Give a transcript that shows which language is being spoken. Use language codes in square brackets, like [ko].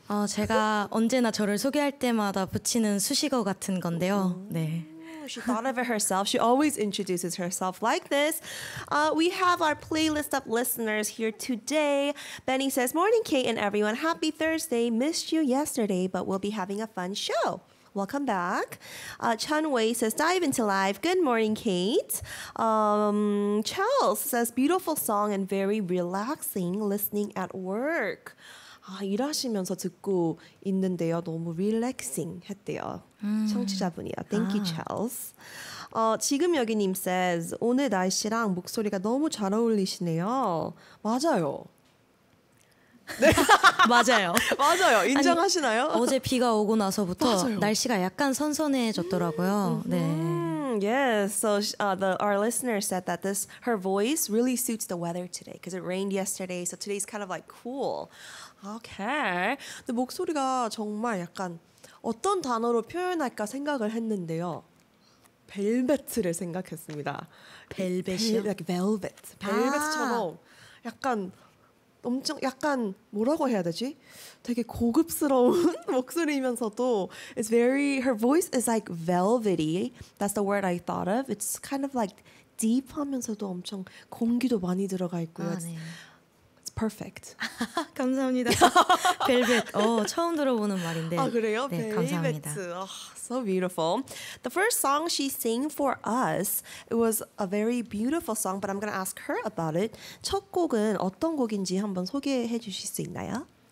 [ko] 제가 언제나 저를 소개할 때마다 붙이는 수식어 같은 건데요. 네. [en] She thought of it herself. She always introduces herself like this. We have our playlist of listeners here today. Benny says, Morning, Kate and everyone. Happy Thursday. Missed you yesterday, but we'll be having a fun show. Welcome back. Chun Wei says, Dive into live. Good morning, Kate. Charles says, Beautiful song and very relaxing listening at work. [ko] 일하시면서 듣고 있는데요. 너무 relaxing 했대요. 청취자분이요. [en] Thank you, Charles. [ko] 지금 여기님 says, 오늘 날씨랑 목소리가 너무 잘 어울리시네요. 맞아요. 네. 맞아요. 맞아요. 인정하시나요? 아니, 어제 비가 오고 나서부터 날씨가 약간 선선해졌더라고요. 네. [en] Yes, so our listener said that her voice really suits the weather today because it rained yesterday, so today's kind of like cool. Okay. [ko] 근데 목소리가 정말 약간 어떤 단어로 표현할까 생각을 했는데요. 벨벳을 생각했습니다. 벨벳이요? [en] Like velvet. [ko] 벨벳처럼 약간 엄청 약간 뭐라고 해야 되지? 되게 고급스러운 목소리이면서도 [en] It's very, her voice is like velvety. That's the word I thought of. It's kind of like deep [ko] 하면서도 엄청 공기도 많이 들어가 있고요. 네. [en] Perfect. [ko] 감사합니다. 벨벳. 처음 들어보는 말인데. 아, 그래요? 네, 벨벳. 감사합니다. [en] So beautiful. The first song she sang for us, it was a very beautiful song, but I'm going to ask her about it. [ko] 첫 곡은 어떤 곡인지 한번 소개해 주실 수 있나요?